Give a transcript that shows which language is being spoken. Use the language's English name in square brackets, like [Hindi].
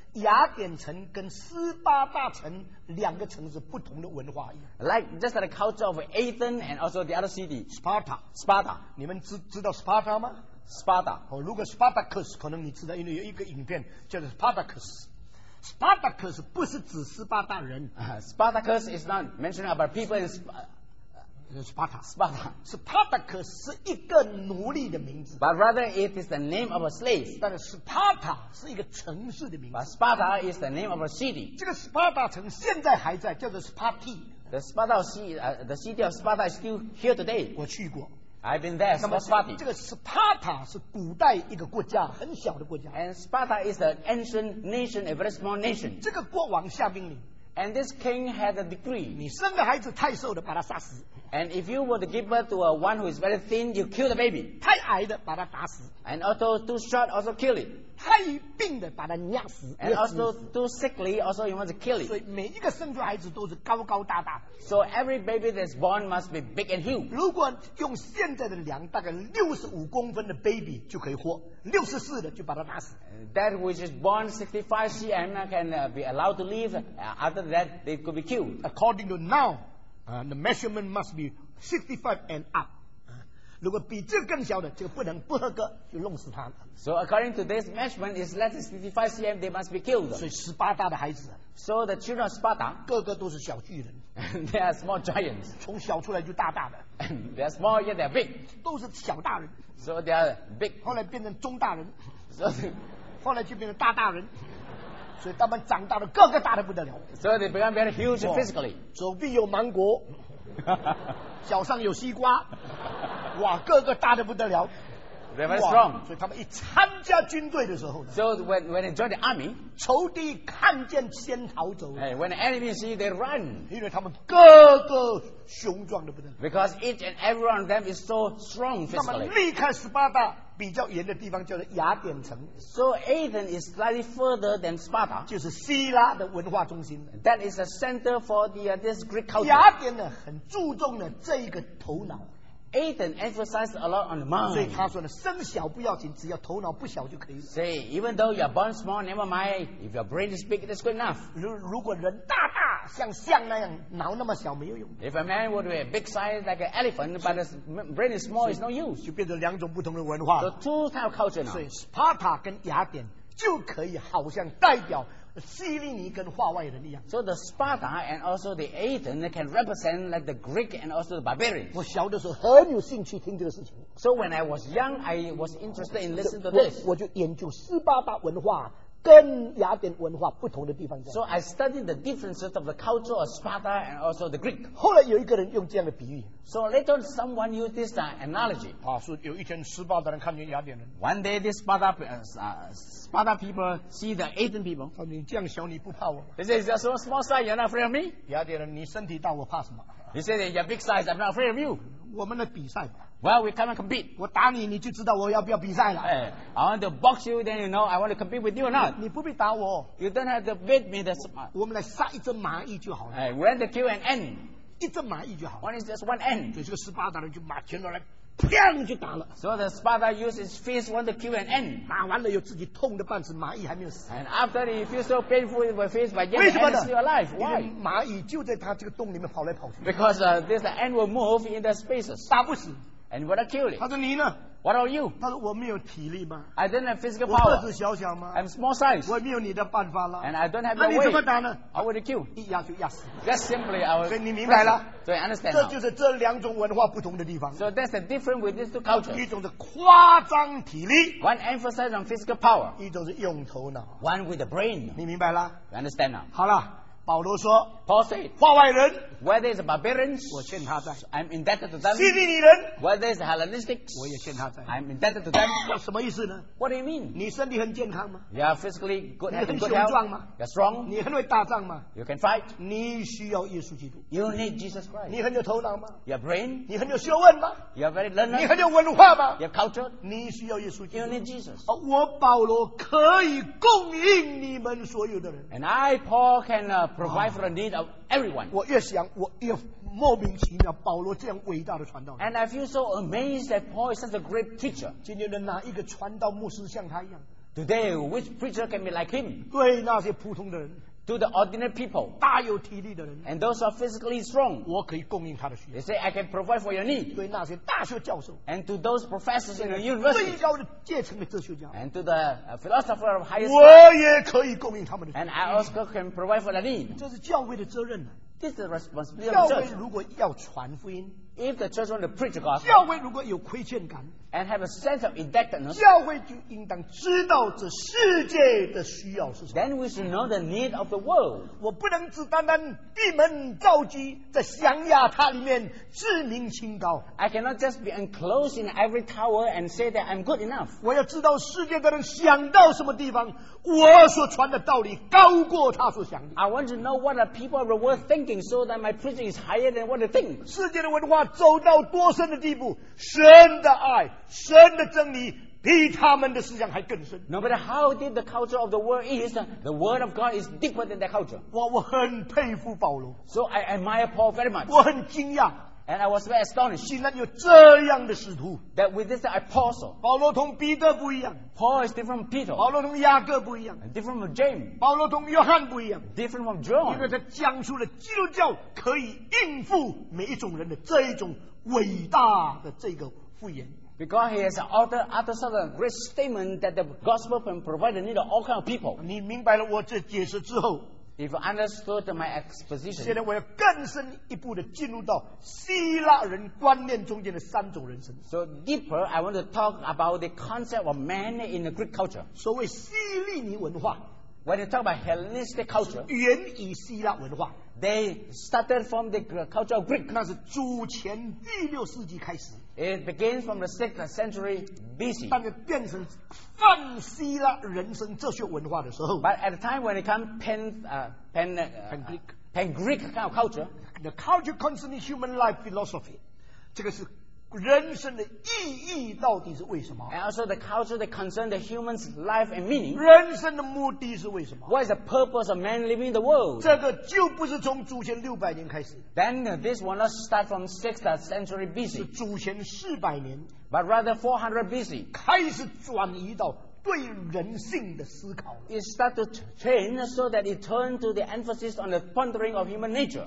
[Chinese] 雅典城跟斯巴达城两个城市不同的文化一样 [English] like just the culture of Athens and also the other city Sparta Sparta [Chinese] 你们 知道 Sparta 吗 Sparta、哦、如果 Spartacus 可能你知道因为有一个影片叫做 Spartacus Spartacus 不是指斯巴达人、 [English] Spartacus is not mentioning about people in Sparta Sparta [Chinese] Spartacus 是一个奴隶的名字 [English] But rather it is the name of a slave [Chinese] 但是 Sparta 是一个城市的名字 [English] But Sparta is the name of a city [Chinese] 这个 Sparta 城现在还在叫做 Sparti [English] the, Sparta of city,、the city of Sparta is still here today [Chinese] 我去过 [English] I've been there for Sparti [Chinese] 这个 Sparta 是古代一个国家很小的国家 [English] And Sparta is an ancient nation a very small nation [Chinese] 这个国王下命令 [English] And this king had a decree. [Chinese] 你生的孩子太瘦的，把他杀死。 [English] And if you were to give birth to a one who is very thin, you kill the baby. [Chinese] 太矮的，把他打死。 [English] And also too short, also kill it. [Chinese] 太病的，把他压死。 [English] And also too sickly, also you want to kill it. [Chinese] 所以每一个生出孩子都是高高大大的。 [English] So every baby that's born must be big and huge. [Chinese] 如果用现在的量，大概65公分的 baby 就可以活。 64的就把他打死。 [English] That which is born 65 cm can be allowed to live. Other than that, they could be killed. According to now, the measurement must be 65 and up. [Chinese] 如果比这更小的，就不能不合格，就弄死他了。 [English] So according to this measurement, is less than 65 cm, they must be killed. [Chinese] 所以斯巴达的孩子。 [English] So the children of Sparta, [Chinese] 个个都是小巨人。 [English] They are small giants. [Chinese] 从小出来就大大的。 [English] They are small yet they are big. [Chinese] 都是小大人。 [English] So they are big. [Chinese] 后来变成中大人。后来就变成大大人，所以他们长大了，个个大得不得了。 [English] So they become very huge physically. [Chinese] 左臂有芒果，脚上有西瓜，哇，个个大得不得了。 [English] They're very strong. [Chinese] 所以他们一参加军队的时候 [English] ，So when they join the army, [Chinese] 仇敌看见先逃走。 [English] Hey, when the enemy see they run, [Chinese] 因为他们个个雄壮得不得了。 [English] Because each and every one of them is so strong physically. [Chinese] 他们离开斯巴达。比较远的地方叫做雅典城 [English] So Athens is slightly further than Sparta [Chinese] 就是希腊的文化中心 [English] That is the center for the, this Greek culture [Chinese] 雅典呢很注重的这一个头脑 [English] Athens emphasized a lot on the mind [Chinese] 所以他说呢生小不要紧只要头脑不小就可以 [English] Say even though you're born small never mind If your brain is big that's good enough [Chinese] 如果人大大像象那样脑那么小没有用 [English] If a man would be a big size like an elephant but his brain is small it's no use [Chinese] 就变成两种不同的文化 [English] So two types of culture now [Chinese] 所以 Sparta 跟雅典就可以好像代表希利尼跟化外人一样 [English] So the Sparta and also the Athens can represent like the Greek and also the barbarians [Chinese] 我小的时候很有兴趣听这个事情 [English] So when I was young I was interested in listening to this [Chinese] 我就研究斯巴达文化跟雅典文化不同的地方 [English] So I studied the differences of the culture of Sparta and also the Greek [Chinese] 后来有一个人用这样的比喻 [English] So later on someone used this analogy [Chinese] 是有一天斯巴达人看见雅典人 [English] One day this Sparta, Sparta people see the Athens people [Chinese] 说你这样小你不怕我 [English] He says you're so small size you're not afraid of me [Chinese] 雅典人你身体大我怕什么 [English] He says you're big size I'm not afraid of you [Chinese] 我们的比赛 [English] Well we come and compete [Chinese] 我打你你就知道我要不要比赛了、 [English] hey. I want to box you, then you know I want to compete with you or not. [Chinese] 你不必打我。 [English] You don't have to beat me. The [Chinese] 我们来杀一只蚂蚁就好了。 [English] 哎、hey, ，we want to kill an ant. [Chinese] 一只蚂蚁就好。 [English] One is just one ant. [Chinese] 所以这个斯巴达人就把拳头来，砰就打了。 [English] So the Sparta used his fist want to kill an ant. [Chinese] 打完了又自己痛的半死，蚂蚁还没有死。 [English] And after he feels so painful with his fist, but yet he is still alive. Why? [Chinese] 因为蚂蚁就在他这个洞里面跑来跑去。 [English] Because this ant will move in the spaces. [Chinese] 打不死。 [English] And want to kill it. [Chinese] 他说你呢？ [English] What are you? [Chinese] 他说我没有体力吗 [English] I don't have physical power. [Chinese] 我个子小小吗 [English] I'm small size. [Chinese] 我没有你的办法了 [English] And I don't have your way. [Chinese] 那你怎么打呢 [English] How would you kill? [Chinese] 一压就压死 [English] That's simply our [Chinese] 所以你明白了 [English] So I understand [Chinese] 这就是这两种文化不同的地方 [English] So that's the difference with these two cultures. [Chinese] 一种是夸张体力 [English] One emphasize on physical power. [Chinese] 一种是用头脑 [English] One with the brain. [Chinese] 你明白了 [English] You understand now. [Chinese] 好了保罗说 [English] Paul said, [Chinese] 化外人 [English] Where there is barbarians, [Chinese] 我欠他债 [English] I'm indebted to them. [Chinese] 希利尼人 [English] Where there is Hellenistics, [Chinese] 我也欠他债 [English] I'm indebted to them. [Chinese] 什么意思呢 [English] What do you mean? [Chinese] 你身体很健康吗 [English] You are physically good, having good health. [Chinese] 你很雄壮吗 [English] You're strong. [Chinese] 你很会打仗吗 [English] You can fight. [Chinese] 你需要耶稣基督 [English] You need Jesus Christ. [Chinese] 你很有头脑吗 [English] Your brain. [Chinese] 你很有学问吗 [English] You're very learned. [Chinese] 你很有文化吗 [English] Your culture. [Chinese] 你需要耶稣基督 [English] You need Jesus. [Chinese] 我保罗可以供应你们所有的人 [English] And I, Paul, can provide for the need of everyone. [Chinese] 我越想，我越莫名其妙。保罗这样伟大的传道人 [English] ，And I feel so amazed that Paul is such a great teacher. [Chinese] 今天的哪一个传道牧师像他一样 [English] ？Today, which preacher can be like him? [Chinese] 对那些普通的人 [English] ，To the ordinary people, [Chinese] 大有体力的人 [English] ，And those who are physically strong, [Chinese] 我可以供应他的需要。 [English] They say I can provide for your need. [Chinese] 对那些大学教授 [English] ，And to those professors in the university, [Chinese] 最高的阶层的哲学家 [English] ，And to the philosopher of highest, [Chinese] 我也可以供应他们的需要。 [English] And I also can provide for their need. [Chinese] 这是教会的责任呢。 [English] This is the responsibility of the church. [Chinese] 教会如果要传福音 [English] if the church want to preach the gospel, [Chinese] 教会如果有亏欠感 [English] and have a sense of indebtedness, [Chinese] 教会就应当知道这世界的需要是什么 [English] then we should know the need of the world. [Chinese] 我不能只单单闭门造车在象牙塔里面自鸣清高 [English] I cannot just be enclosed in every tower and say that I'm good enough. [Chinese] 我要知道世界的人想到什么地方我所传的道理高过他所想的 [English] I want to know what the people of the world think. So that my preaching is higher than what they think. [Chinese] 世界的文化走到多深的地步，神的爱，神的真理比他们的思想还更深。 [English] No matter how deep the culture of the world is, the word of God is deeper than their culture. [Chinese] 我很佩服保罗。 [English] So I admire Paul very much. [Chinese] 我很惊讶。 [English] And I was very astonished. [Chinese] 竟然有这样的使徒。 [English] That with this apostle, [Chinese] 保罗同彼得不一样。 [English] Paul is different from Peter. [Chinese] 保罗同雅各不一样。 [English] And different from James. [Chinese] 保罗同约翰不一样。 [English] Different from John. [Chinese] 因为他讲出了基督教可以应付每一种人的这一种伟大的这个复言。 [English] Because he has uttered such a great statement that the gospel can provide the need of all kinds of people. [Chinese] 你明白了我这解释之后。 [English] If you understood my exposition, [Chinese] 现在我要更深一步的进入到希腊人观念中间的三种人生。 [English] So deeper, I want to talk about the concept of man in the Greek culture. [Chinese] 所谓希利尼文化 [English] ，when you talk about Hellenistic culture, [Chinese] 源于希腊文化。 [English] They started from the culture of Greek. [Chinese] 那是主前第六世纪开始。 [English] It begins from the 6th century BC. [Chinese] 但是变成泛希腊人生哲学文化的时候。 [English] But at the time when it comes pan-Greek kind of culture, the culture concerning human life philosophy, [Chinese] 这个是人生的意义到底是为什么 [English] ？And also the culture that concerns the human's life and meaning. [Chinese] 人生的目的是为什么 [English] ？What is the purpose of man living in the world？ [Chinese] 这个就不是从主前六百年开始。 [English] Then this will not start from 6th century BC. [Chinese] 是主前四百年 [English] ，but rather 400 BC [Chinese] 开始转移到。对人性的思考 [English] ，It start to change so that it turned to the emphasis on the pondering of human nature.